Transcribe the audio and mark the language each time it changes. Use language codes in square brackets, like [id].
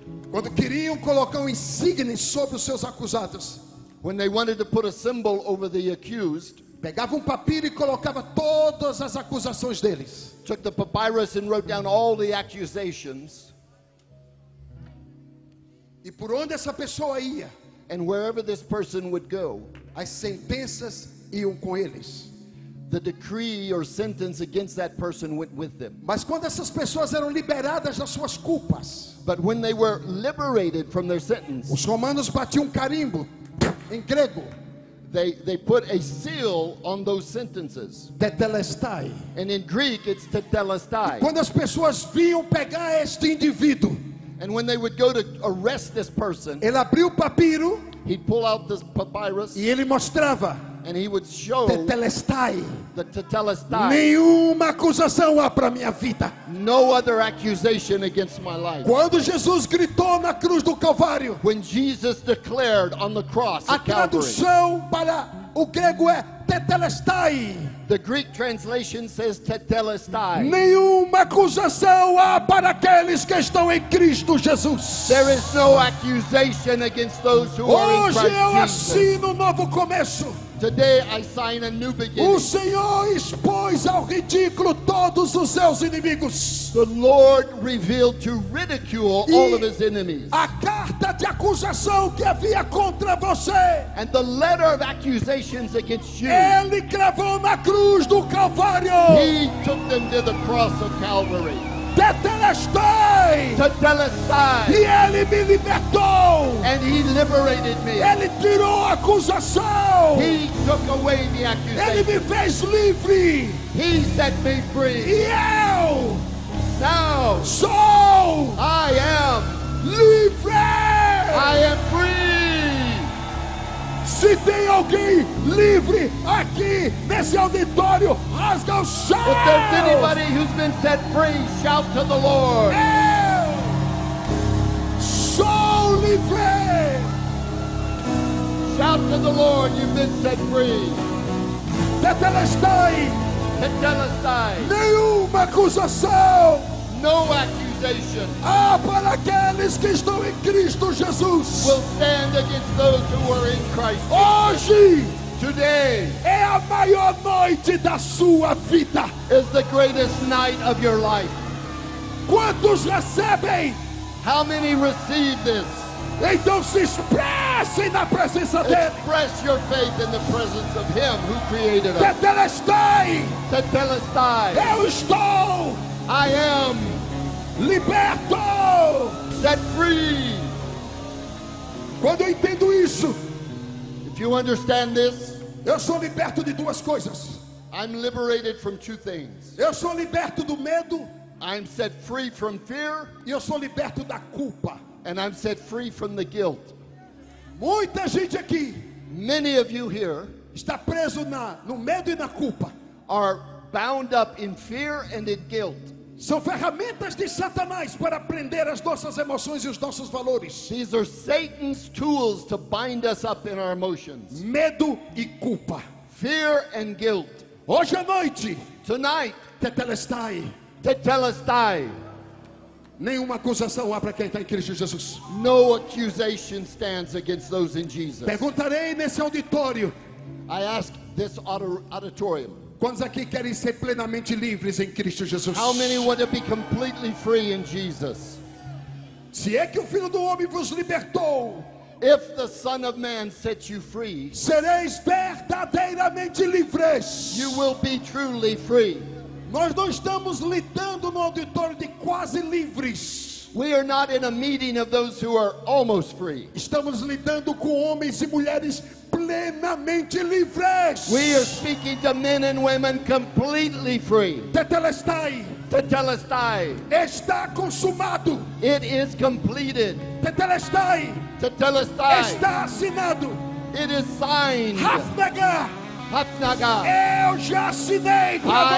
[pt] Quando queriam colocar insígnia sobre os seus acusados. [en] When they wanted to put a symbol over the accused. [pt] Pegava papiro e colocava todas as acusações deles. [en] Took the papyrus and wrote down all the accusations. [pt] E por onde essa pessoa ia. [en] And wherever this person would go. [pt] As sentenças iam com eles. [en] the decree or sentence against that person went with them. [pt] Mas quando essas pessoas eram liberadas das suas culpas, [en] but when they were liberated from their sentence, [pt] os romanos batiam um carimbo em grego. [en] They put a seal on those sentences. [pt] Tetelestai. [en] And in Greek, it's tetelestai. [pt] E quando as pessoas vinham pegar este indivíduo, [en] and when they would go to arrest this person, [pt] ele abriu o papiro, [en] he'd pull out this papyrus, [pt] e ele mostrava, [en] and he would show [pt] tetelestai. [en] The tetelestai. [pt] Nenhuma acusação há para minha vida. [en] No other accusation against my life. [pt] Quando Jesus gritou na cruz do Calvário, [en] when Jesus declared on the cross [pt] a tradução para o grego é tetelestai. [en] The Greek translation says tetelestai. [pt] Nenhuma acusação há para aqueles que estão em Cristo Jesus. [en] There is no accusation against those who [pt] hoje [en] are in Christ [pt] Jesus. Hoje eu assino um novo começo. [en] Today I sign a new beginning. [pt] O Senhor expôs ao ridículo todos os seus inimigos. [en] The Lord revealed to ridicule all of his enemies. [pt] A carta de acusação que havia contra você. [en] And the letter of accusations against you. [pt] Ele cravou na cruz do Calvário. [en] He took them to the cross of Calvary. [pt] Tetelestai. [en] Tetelestai. [pt] E ele me libertou. [en] And he liberated me. [pt] Ele tirou a acusação. [en] He took away the accusation. [pt] Ele me fez livre. [en] He set me free. [pt] E eu. [en] Now. So. I am. [pt] Livre. [en] I am free. [pt] Se tem alguém livre aqui nesse auditório, rasga o chão. [en] If there's anybody who's been set free, shout to the Lord. [pt] Eu sou livre. [en] Shout to the Lord, you've been set free. [pt] Tetelestai. [en] Tetelestai. [pt] Nenhuma acusação. [en] No accusation. [pt] Ah, para aqueles que estão em Cristo Jesus. [en] Will stand against those who are in Christ. [pt] Hoje. [en] Today. [pt] É a maior noite da sua vida. [en] Is the greatest night of your life. [pt] Quantos recebem? [en] How many receive this? [pt] Então se expresse na presença dele. [en] Express your faith in the presence of him who created us. [pt] Tetelestai. [en] Tetelestai. [pt] Eu estou. [en] I am [pt] liberto, [en] set free. [pt] Quando eu entendo isso, [en] if you understand this, [pt] eu sou liberto de duas coisas. [en] I'm liberated from two things. [pt] Eu sou liberto do medo. [en] I'm set free from fear. [pt] E eu sou liberto da culpa. [en] And I'm set free from the guilt. [pt] Muita gente aqui, [en] many of you here, [pt] está preso no medo e na culpa. [en] Are bound up in fear and in guilt. [pt] São ferramentas de Satanás para prender as nossas emoções e os nossos valores. [en] These are Satan's tools to bind us up in our emotions. [pt] Medo e culpa. [en] Fear and guilt. [pt] Hoje à noite. [en] Tonight. [pt] Tetelestai. [en] Tetelestai. [pt] Nenhuma acusação há para quem está em Cristo Jesus. [en] No accusation stands against those in Jesus. [pt] Perguntarei nesse auditório. [en] I ask this auditorium. [pt] Quantos aqui querem ser plenamente livres em Cristo Jesus? [en] How many want to be completely free in Jesus? [pt] Se é que o Filho do Homem vos libertou, [en] if the Son of Man sets you free, [pt] sereis verdadeiramente livres. [en] You will be truly free. [pt] Nós não estamos lidando no auditório de quase livres. [en] We are not in a meeting of those who are almost free. [pt] Estamos lidando com homens e mulheres plenamente livres. [en] We are speaking to men and women completely free. [pt] Tetelestai. [en] Tetelestai. [pt] Está consumado. [en] It is completed. [pt] Tetelestai. [en] Tetelestai. [pt] Está assinado. [en] It is signed. Hafnaga. [pt] Eu já assinei para